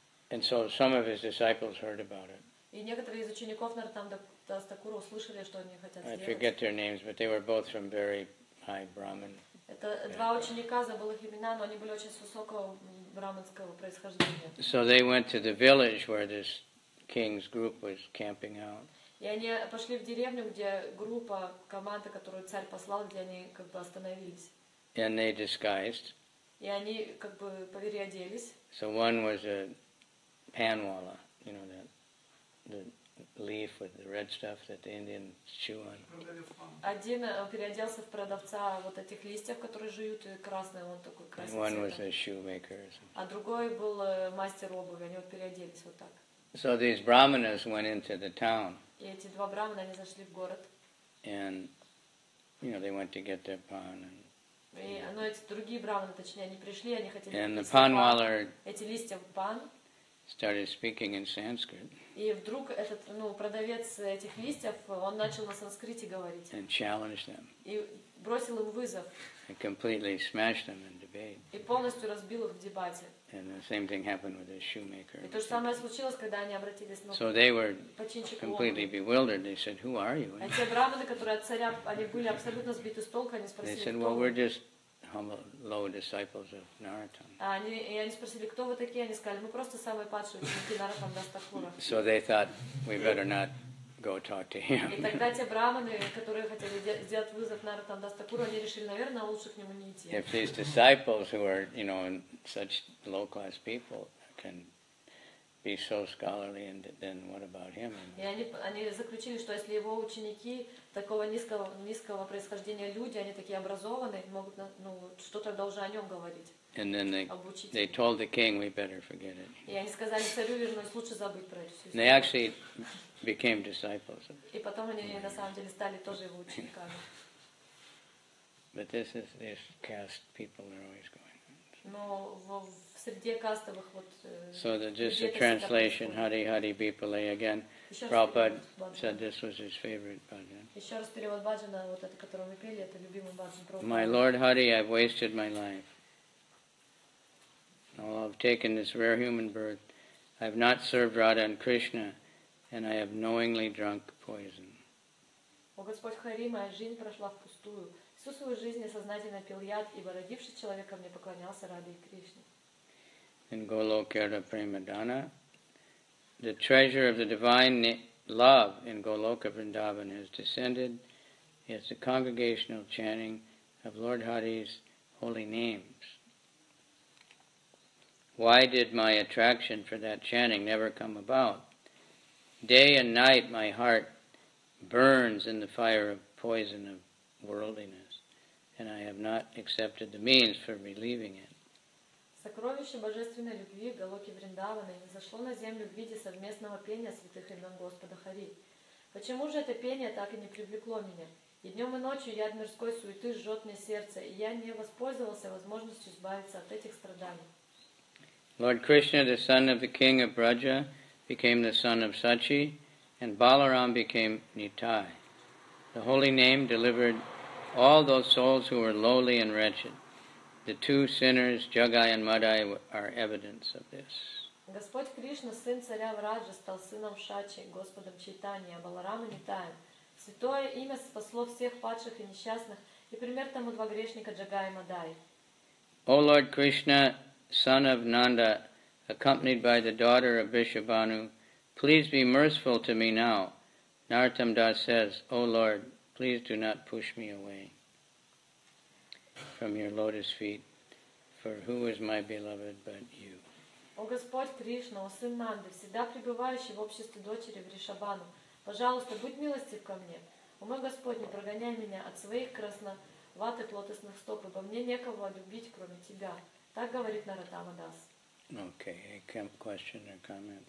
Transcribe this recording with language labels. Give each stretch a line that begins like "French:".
English: And so some of his disciples heard about it.
Russian: И некоторые из учеников Нараттам Дас Такура услышали, что они хотят сделать.
English: I forget their names, but they were both from very high Brahmin.
Russian: Это два ученика, забыл их имена, но они были очень с высокого брахманского происхождения.
English: So they went to the village where this king's group was camping out.
Russian: И они пошли в деревню, где группа, команда, которую царь послал, где они как бы остановились.
English: And they disguised.
Russian: И они как бы переоделись.
English: So one was a panwala, you know, that the leaf with the red stuff that the Indians chew on.
Russian: Один переоделся в продавца вот этих листьев, которые жуют, и красный он такой красный.
English: And one was a shoemaker.
Russian: А другой был мастер обуви, они вот переоделись вот так.
English: So these brahmanas went into the town.
Russian: И эти два брахмана они зашли в город.
English: And you know they went to get their pan.
Russian: Но эти другие брахманы, точнее, они пришли, они хотели.
English: And the panwala.
Russian: Эти листья в пан.
English: Started speaking in Sanskrit.
Russian: И вдруг этот, ну, продавец этих листьев, он начал на санскрите говорить.
English: And challenged them.
Russian: И бросил им вызов.
English: And completely smashed them in debate.
Russian: И полностью разбил их в дебате.
English: And the same thing happened with the shoemaker.
Russian: И то же самое случилось, когда они обратились.
English: So they were completely bewildered. They said, "Who are you?"
Russian: Эти брахманы, которые от царя, они были абсолютно сбиты с толку, они спросили.
English: They said, "Well, we're just humble, low disciples of Narottam."
Russian: Они спросили, кто вы такие? Они сказали, мы просто самые падшие ученики Нараттам Дас Такура.
English: So they thought, we better not go talk to him.
Russian: И тогда те брахманы, которые хотели сделать вызов Нараттам Дас Такуру, они решили, наверное, лучше к нему не идти.
English: If these disciples who are, you know, such low-class people can be so scholarly, and then what about him?
Russian: И они заключили, что если его ученики такого низкого происхождения люди, они такие образованные, могут, ну, что тогда уже о нем говорить?
English: And then they told the king, we better forget it.
Russian: И они сказали царю, вернусь, лучше забыть про это.
English: They actually became disciples.
Russian: И потом они на самом деле стали тоже его учениками.
English: But this caste people are always going.
Russian: Но в среде кастовых вот.
English: So just a translation, Hari Hari Bipale again. Prabhupada said this was his favorite bhajan.
Russian: Еще раз перевод бхаджана, вот это, который мы пели, это любимый бхаджан Прабхупады.
English: My Lord Hari, I've wasted my life. Oh, I've taken this rare human birth. I've not served Radha and Krishna, and I have knowingly drunk poison.
Russian: О Господь Хари, моя жизнь прошла впустую. Всю свою жизнь я сознательно пил яд, ибо родившись человеком, не поклонялся Раде и Кришне. in Golokerta Premadana.
English: The treasure of the divine love in Goloka Vrindavan has descended. It's the congregational chanting of Lord Hari's holy names. Why did my attraction for that chanting never come about? Day and night my heart burns in the fire of poison of worldliness, and I have not accepted the means for relieving it.
Russian: Сокровище божественной любви Голоки Вриндаваны зашло на землю в виде совместного пения святых имен Господа Хари. Почему же это пение так и не привлекло меня? И днем и ночью яд мирской суеты жжет мне сердце, и я не воспользовался возможностью избавиться от этих страданий.
English: Lord Krishna, the son of the king of Braja, became the son of Sachi, and Balaram became Nitai. The holy name delivered all those souls who were lowly and wretched. The two sinners, Jagai and Madai, are evidence of this.
Russian: Господь Кришна, сын царя Враджа, стал сыном Шачи, Господом Чайтанья, Баларам и Нитаем. Святое имя спасло всех падших и несчастных, и пример тому два грешника Джагай и Мадай.
English: O Lord Krishna, son of Nanda, accompanied by the daughter of Vishabhanu, please be merciful to me now. Nartam Das says, O Lord, please do not push me away from your lotus feet, for who is my beloved but you?
Russian: O Господь Кришна, о сын Нанды, всегда пребывающий в обществе дочери Вришабану, пожалуйста, будь милостив ко мне. О мой Господь, не прогоняй меня от своих красноватых лотосных стоп, ибо мне некого любить, кроме Тебя. Так говорит Наратама Дас.
English: Okay, a camp question or comment?